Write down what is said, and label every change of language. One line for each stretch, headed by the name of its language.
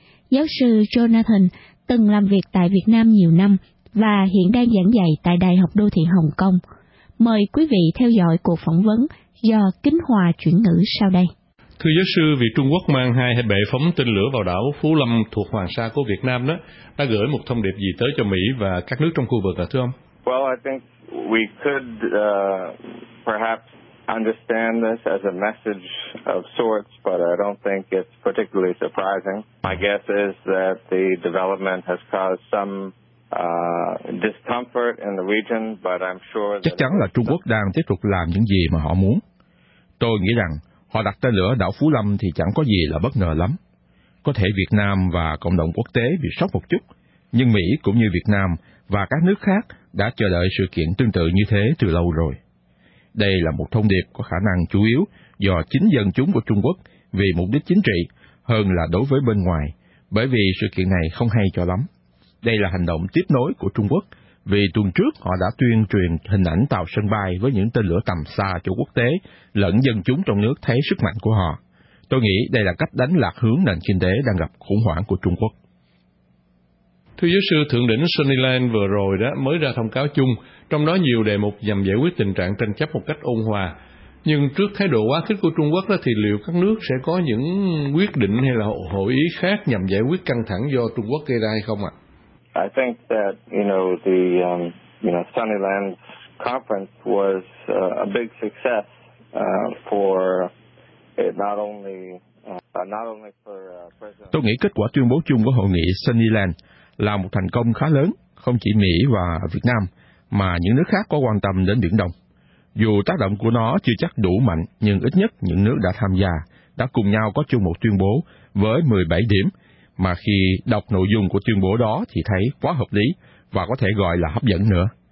Vietnamese: Giáo sư Jonathan từng làm việc tại Việt Nam nhiều năm và hiện đang giảng dạy tại Đại học Đô thị Hồng Kông. Mời quý vị theo dõi cuộc phỏng vấn do Kính Hòa chuyển ngữ sau đây. Thưa giáo sư, việc Trung Quốc mang 2 bệ phóng tên lửa vào đảo Phú Lâm thuộc Hoàng Sa của Việt Nam đó đã gửi một thông điệp gì tới cho Mỹ và các nước trong khu vực hả thưa ông?
English: Well, I think we could perhaps understand this as a message of sorts, but I don't think it's particularly surprising. My guess is that the development has caused some discomfort in the region, but I'm sure
Vietnamese: chắc chắn là Trung Quốc đang tiếp tục làm những gì mà họ muốn. Tôi nghĩ rằng họ đặt tên lửa đảo Phú Lâm thì chẳng có gì là bất ngờ lắm. Có thể Việt Nam và cộng đồng quốc tế bị sốc một chút, nhưng Mỹ cũng như Việt Nam và các nước khác đã chờ đợi sự kiện tương tự như thế từ lâu rồi. Đây là một thông điệp có khả năng chủ yếu do chính dân chúng của Trung Quốc vì mục đích chính trị hơn là đối với bên ngoài, bởi vì sự kiện này không hay cho lắm. Đây là hành động tiếp nối của Trung Quốc, vì tuần trước họ đã tuyên truyền hình ảnh tàu sân bay với những tên lửa tầm xa cho quốc tế, lẫn dân chúng trong nước thấy sức mạnh của họ. Tôi nghĩ đây là cách đánh lạc hướng nền kinh tế đang gặp khủng hoảng của Trung Quốc. Thưa giáo sư, thượng đỉnh Sunnyland vừa rồi đó mới ra thông cáo chung, trong đó nhiều đề mục nhằm giải quyết tình trạng tranh chấp một cách ôn hòa. Nhưng trước thái độ quá khích của Trung Quốc đó, thì liệu các nước sẽ có những quyết định hay là hội ý khác nhằm giải quyết căng thẳng do Trung Quốc gây ra hay không ạ?
English: I think that the Sunnyland conference was a big success for it not only for President.
Vietnamese: Tôi nghĩ kết quả tuyên bố chung của hội nghị Sunnyland là một thành công khá lớn, không chỉ Mỹ và Việt Nam, mà những nước khác có quan tâm đến Biển Đông. Dù tác động của nó chưa chắc đủ mạnh, nhưng ít nhất những nước đã tham gia đã cùng nhau có chung một tuyên bố với 17 điểm, mà khi đọc nội dung của tuyên bố đó thì thấy quá hợp lý và có thể gọi là hấp dẫn nữa.